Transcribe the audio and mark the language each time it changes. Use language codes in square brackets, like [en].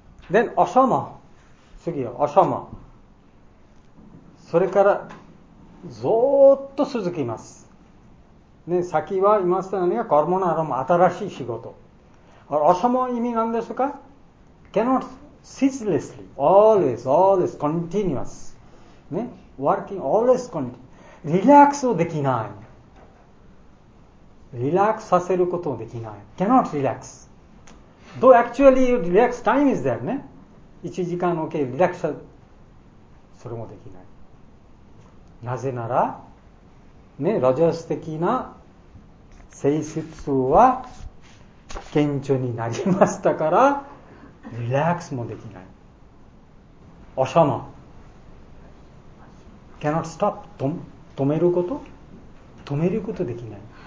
[ja] で、アシャマ、次はアシャマ。それからずっと続きます。ね、先は言いましたね、カルモナラム、新しい仕事。アシャマ意味なんですか？ [en] Cannot. Ceaselessly, always, continuous.、ね、working, always continuous. [ja] Relax をできない。 Relax させることもできない。 [en] Cannot relax. Though actually you relax, time is there. [ja] ね、1時間 [en] OK, relax. [ja] それもできない。なぜなら、ね、ラジャス的な性質は顕著になりましたからリラックスもできない。おしゃま [en] cannot stop、 [ja] 止めること、止めることできない。